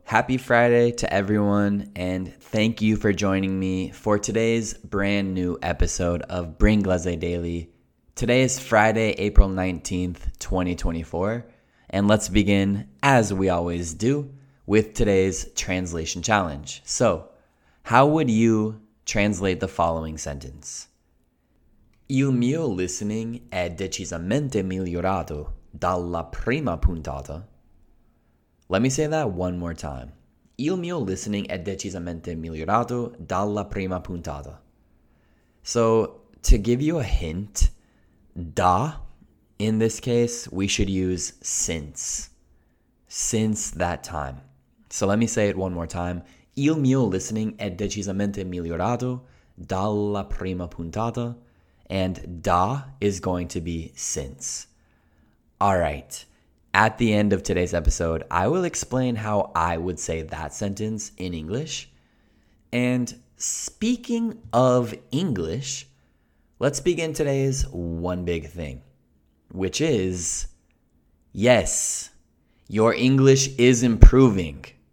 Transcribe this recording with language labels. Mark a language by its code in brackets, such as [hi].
[en] Happy Friday to everyone, and thank you for joining me for today's brand new episode of Bringlese Daily. Today is Friday, April 19th, 2024, and let's begin, as we always do, with today's translation challenge. So, how would you translate the following sentence? [it] Il mio listening è decisamente migliorato dalla prima puntata. [en] Let me say that one more time. [it] Il mio listening è decisamente migliorato dalla prima puntata. [en] So, to give you a hint, da, in this case, we should use since. Since that time. So let me say it one more time. [it] Il mio listening è decisamente migliorato dalla prima puntata. [en] And da is going to be since. All right. At the end of today's episode, I will explain how I would say that sentence in English. And speaking of English, let's begin today's one big thing, which is, yes, your English is improving.